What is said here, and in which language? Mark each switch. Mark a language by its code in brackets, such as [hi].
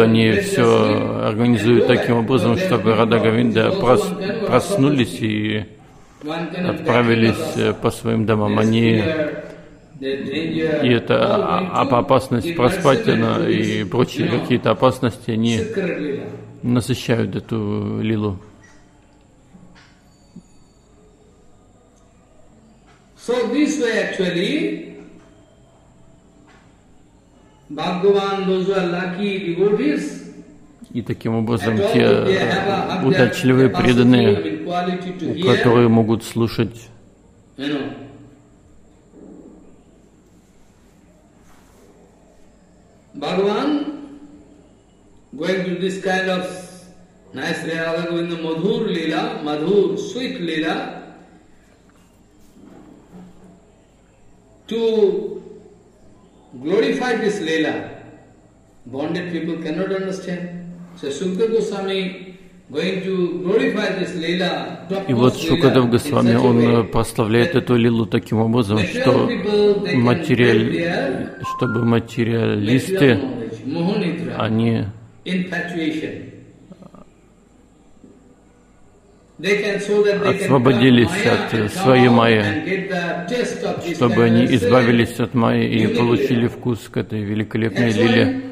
[ru] Они все организуют таким образом, чтобы Радха Говинда проснулись и отправились по своим домам. Они, и это опасность проспать она, и прочие какие-то опасности, они насыщают эту лилу. [en] So this way actually, Bhagavan, those who are lucky devotees, [ru] и таким образом те удачливые преданные, которые могут слушать, [en] you know, Bhagavan going to this kind of nice Radha Govinda madhur lila, madhur sweet lila. To glorify this Leela, bonded people cannot understand. So Shukadev Goswami going to glorify this Leela. [ru] И вот Шукадев Госвами, он прославляет эту лилу таким образом, что чтобы материалисты, они освободились от своей майи, чтобы они избавились от майи и получили вкус к этой великолепной лиле.